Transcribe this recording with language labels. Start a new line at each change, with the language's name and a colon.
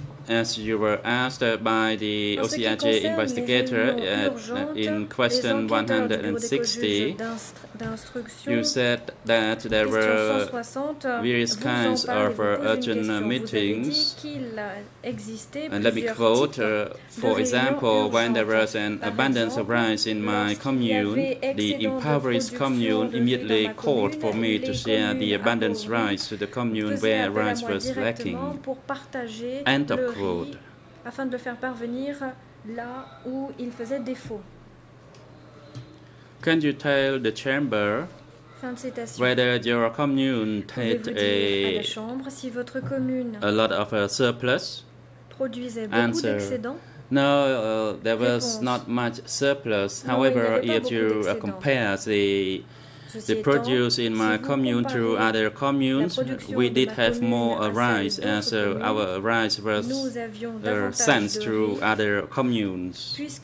English: as you were asked by the OCIJ investigator in question 160, you said that there were various kinds of urgent meetings. And let me quote, for example, when there was an abundance of rice in my commune, the impoverished commune immediately called for me to share the abundance rice to the commune where rice was lacking. End of quote.
French: Afin de le faire parvenir là où il faisait défaut.
English: Can you tell the chamber whether your commune had a lot of a surplus? Answer. No, there was not much surplus. However, if you compare the produce in my commune to other communes, we did have more rice, and so our rice was sent to other communes.